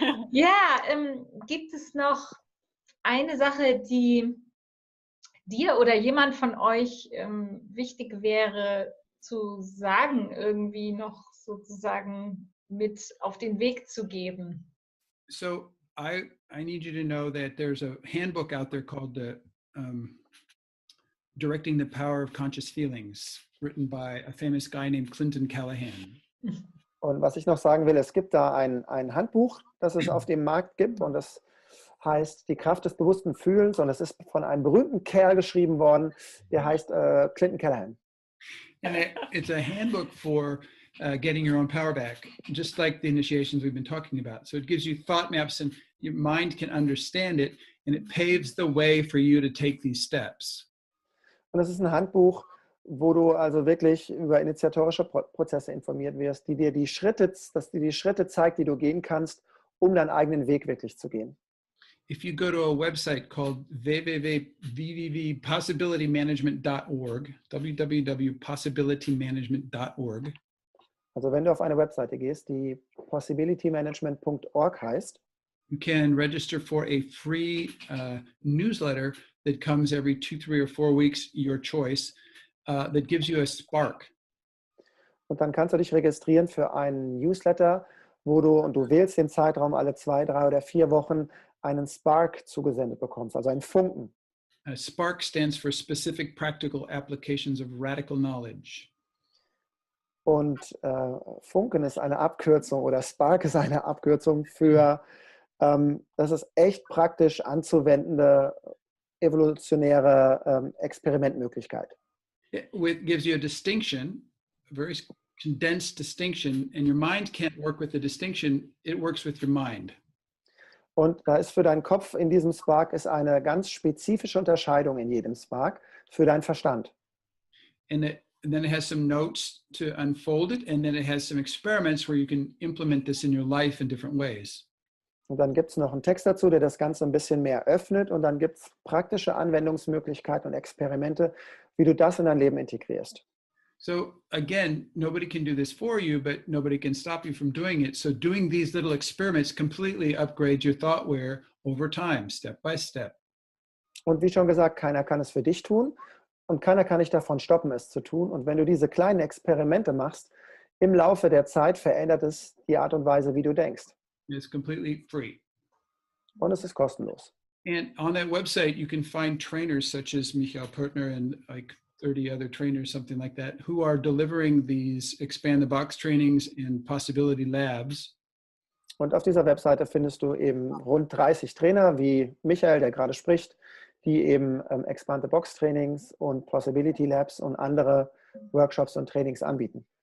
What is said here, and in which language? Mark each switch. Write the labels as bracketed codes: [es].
[de] Ja, gibt es noch eine Sache, die dir oder jemand von euch wichtig wäre zu sagen, irgendwie noch sozusagen mit auf den Weg zu geben? [en] So, I need you to know that there's a handbook out there called the Directing the Power of Conscious Feelings, written by a famous guy named Clinton Callahan. [de] Und was ich noch sagen will, es gibt da ein Handbuch, das es auf dem Markt gibt, und das heißt Die Kraft des bewussten Fühlens, und es ist von einem berühmten Kerl geschrieben worden, der heißt Clinton Callahan. [en] And it's a handbook for getting your own power back, just like the initiations we've been talking about. So it gives you thought maps and your mind can understand it, and it paves the way for you to take these steps. [de] Und es ist ein Handbuch, wo du also wirklich über initiatorische Prozesse informiert wirst, die dir die Schritte, dass dir die Schritte zeigt, die du gehen kannst, um deinen eigenen Weg wirklich zu gehen. [en] If you go to a website called www.possibilitymanagement.org. [de] Also wenn du auf eine Webseite gehst, die possibilitymanagement.org heißt, [en] you can register for a free newsletter that comes every 2, 3, or 4 weeks, your choice, that gives you a spark. [de] Und dann kannst du dich registrieren für einen Newsletter, wo du, und du wählst den Zeitraum, alle 2, 3, oder 4 Wochen einen Spark zugesendet bekommst, also einen Funken. [en] A spark stands for specific practical applications of radical knowledge. [de] Und Funken ist eine Abkürzung, oder Spark ist eine Abkürzung für, das ist echt praktisch anzuwendende evolutionäre Experimentmöglichkeit. [en] It gives you a distinction, a very condensed distinction, and your mind can't work with the distinction, it works with your mind. [de] Und da ist für deinen Kopf in diesem Spark ist eine ganz spezifische Unterscheidung in jedem Spark für deinen Verstand. [en] And then it has some notes to unfold it, and then it has some experiments where you can implement this in your life in different ways. [de] Und dann gibt es noch einen Text dazu, der das Ganze ein bisschen mehr öffnet. Und dann gibt es praktische Anwendungsmöglichkeiten und Experimente, wie du das in dein Leben integrierst. [en] So again, nobody can do this for you, but nobody can stop you from doing it. So doing these little experiments completely upgrades your thoughtware over time, step by step. [de] Und wie schon gesagt, keiner kann es für dich tun und keiner kann dich davon stoppen, es zu tun. Und wenn du diese kleinen Experimente machst, im Laufe der Zeit verändert es die Art und Weise, wie du denkst. [en] It's completely free. [de] Und es ist kostenlos. [en] And on that website, you can find trainers such as Michael Pertner and like 30 other trainers, something like that, who are delivering these Expand the Box trainings in Possibility Labs. [de] Und auf dieser Webseite findest du eben rund 30 Trainer wie Michael, der gerade spricht, die eben Expand the Box Trainings und Possibility Labs und andere Workshops und Trainings anbieten.